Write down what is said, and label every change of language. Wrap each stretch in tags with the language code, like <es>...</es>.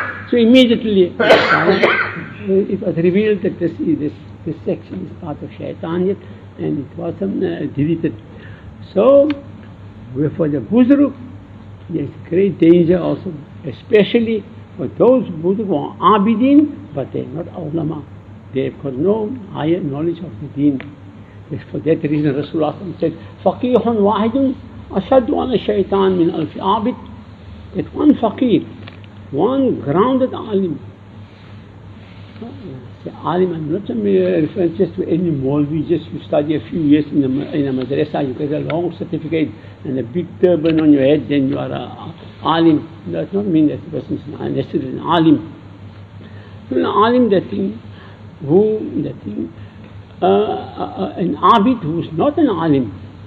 <en>So immediately it was revealed that this section is part of Shaitaniyat, and it was deleted. So for the Buzruk, there is great danger also, especially for those Buzruk who are Abidin, but they are not Ulama. They have got no higher knowledge of the Deen. It's for that reason Rasulullah said,</en> <ar>فَقِيحٌ وَاحِدٌ أَشَدُ عَلَى الشَّيْطَانِ مِنْ أَلْفِ عَابِدٍ.</ar> <en>That one faqih, one grounded alim. Say alim, I'm not referring just to any Maulvi, just you study a few years in a madrasa, you get a long certificate and a big turban on your head, then you are a alim. That does not mean that the person is necessarily an alim. An alim, an abid who is not an alim.</en>